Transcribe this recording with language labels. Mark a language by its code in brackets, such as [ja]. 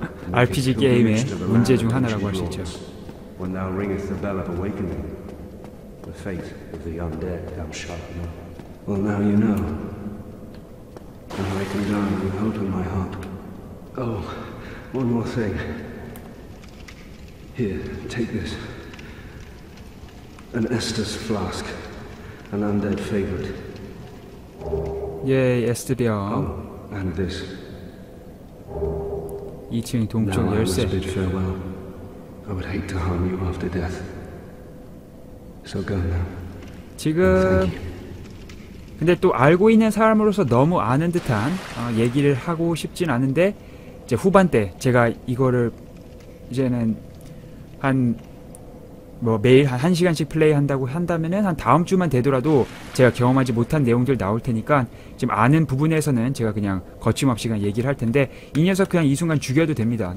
[ko] RPG 게임의 문제 중 하나라고 할 수 있죠. [en] When thou ringest the bell of awakening, the fate of the undead thou shalt know. Well, now you know. And I can die with hope in my heart. Oh, one more thing. Here, take this. An Estus flask. An undead favorite. Yay, Estidion. Oh, and this. [ko] 2층 동쪽 열쇠. [en] Now I must bid farewell. I would hate to harm you after death. So go now. [ko] 지금 근데 또 알고 있는 사람으로서 너무 아는 듯한 얘기를 하고 싶진 않은데 이제 후반때 제가 이거를 이제는 한 뭐 매일 한 1시간씩 플레이한다고 한다면은 한 다음 주만 되더라도 제가 경험하지 못한 내용들 나올 테니까 지금 아는 부분에서는 제가 그냥 거침없이 그냥 얘기를 할 텐데 이 녀석 그냥 이 순간 죽여도 됩니다.